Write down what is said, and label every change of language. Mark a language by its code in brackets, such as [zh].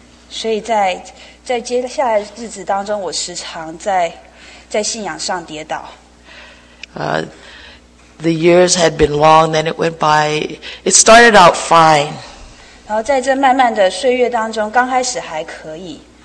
[zh] 所以在接下来日子当中，我时常在信仰上跌倒。 [en] The years had been long, then it went by. It started out fine. [zh] 然后在这慢慢的岁月当中，刚开始还可以。